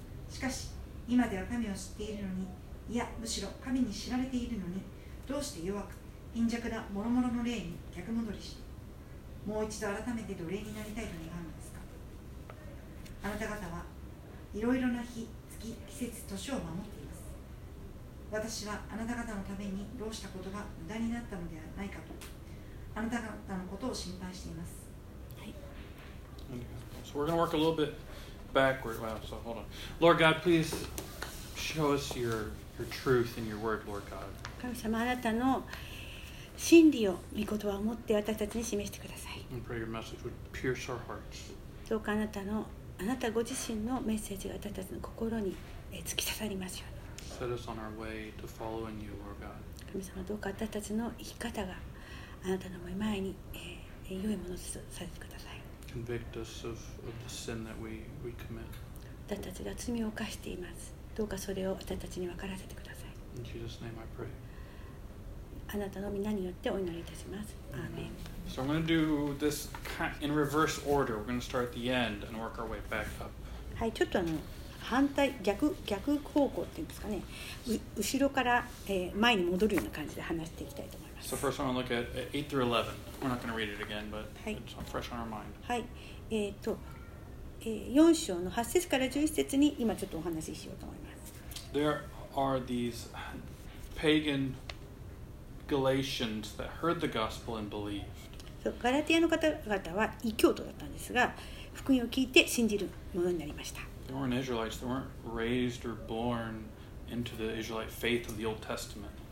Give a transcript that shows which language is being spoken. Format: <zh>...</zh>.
<ja>しかし今では神を知っているのに、いやむしろ神に知られているのに、どうして弱く貧弱な諸々の霊に逆戻りし、もう一度改めて奴隷になりたいと願うのですか。あなた方はいろいろな日、月、季節、年を守っています。私はあなた方のためにどうしたことが無駄になったのではないかと、あなた方のことを心配しています。</ja> <en>はい、 So we're going to work a little bit backward. Wow, so hold on. Lord God, please show us your truth and your word, Lord God.</en> <ja>神様、あなたの真理を御言葉を持って私たちに示してください。</ja> <en>And pray your message would pierce our hearts.</en> <ja>どうかあなたご自身のメッセージが私たちの心に突き刺さりますように。</ja> <en>Set us on our way to following you, Lord God.</en> <ja>神様、どうか私たちの生き方があなたの前に、良いものとさせてください。</ja> <en>Convict us of the sin that we commit.</en> <ja>私たちが罪を犯しています。どうかそれを私たちに分からせてください。</ja> <en>In Jesus' name I pray.</en> <ja>あなたの名によってお祈りいたします。アーメン。</ja> <en>So I'm going to do this in reverse order. We're going to start at the end and work our way back up.</en> <ja>はい、ちょっと逆方向っていうんですかね。後ろから前に戻るような感じで話していきたいと思います。</ja> <en>So first I want to look at 8 through 11. We're not going to read it again, but it's fresh on our mind.</en> <ja>はい。 4章の8節から11節に今ちょっとお話ししようと思います。</ja> <en>There are these pagan Galatians that heard the gospel and believed.</en> <ja>そう、ガラティアの方々は異教徒だったんですが、福音を聞いて信じるものになりました。</ja> <en>They weren't Israelites. They weren't raised or born into the Israelite faith of the Old Testament.</en>